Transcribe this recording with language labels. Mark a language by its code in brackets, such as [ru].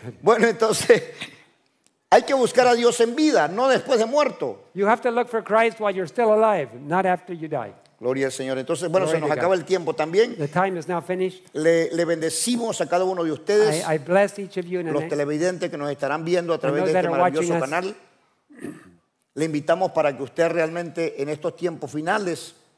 [es] Bueno, entonces hay que buscar a Dios en vida, no después de muerto. [en] You have to look for Christ while you're still alive, not after you die. [es] Gloria al Señor. Entonces, bueno, se nos acaba el tiempo también. [en] The time is now finished. [es] Le bendecimos a cada uno de ustedes. [en] I bless each of you in [es] los televidentes que nos estarán viendo a través de este maravilloso canal. Le invitamos para que usted realmente en estos tiempos finales